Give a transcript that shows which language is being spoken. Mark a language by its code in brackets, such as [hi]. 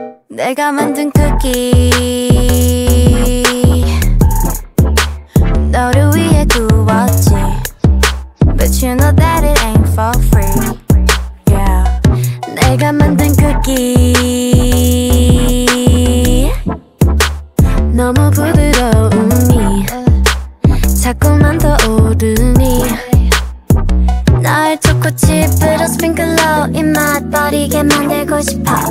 [ko] 내가 만든 쿠키 너를 위해 구웠지. [en] But you know that it ain't for free. Yeah. [ko] 내가 만든 쿠키 너무 부드러우니 자꾸만 떠오르니 날 초코칩 뿌려 스프링클로 입맛 버리게 만들고 싶어.